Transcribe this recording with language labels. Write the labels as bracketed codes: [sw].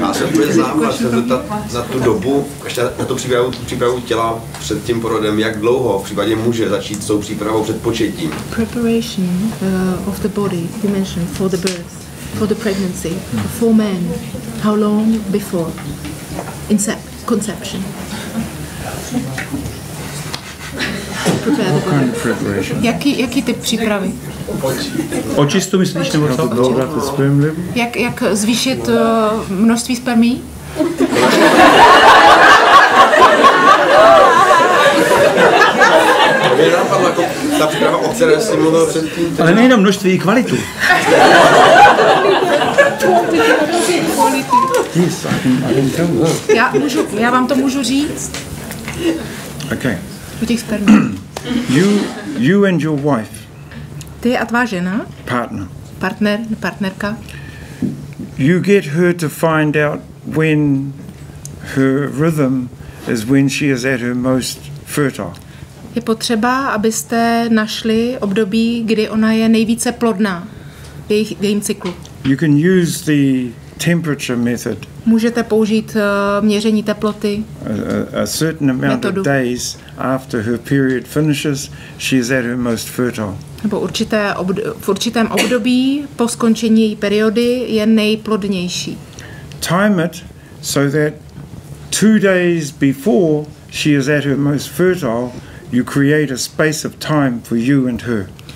[cs] Já se úplně zeptat za tu dobu, ještě na tu přípravu těla před tím porodem, jak dlouho v případě muže začít s tou přípravou před početím? [en] Preparation of the body, you mentioned, for the birth, for the pregnancy, for men, how long before conception? [cs] Jaký typ přípravy? Očistu myslíš nebo co? Jak zvýšit množství spermí? Ale nejenom množství, i kvalitu. Já vám to můžu říct. [en] Okay. [cs] U těch spermí. [en] You and your wife. [cs] Ty a tvá žena. [en] Partner. [cs] Partner, partnerka. [en] You get her to find out when her rhythm is when she is at her most fertile. [cs] Je potřeba, abyste našli období, kdy ona je nejvíce plodná v jejím cyklu. [en] You can use the temperature method. [cs] Můžete použít měření teploty. [en] A certain amount of days after her period finishes, she is at her most fertile. [cs] Nebo v určitém období po skončení její periody je nejplodnější. [en] Time it so that 2 days before she is at her most fertile, you create a space of time for you and her.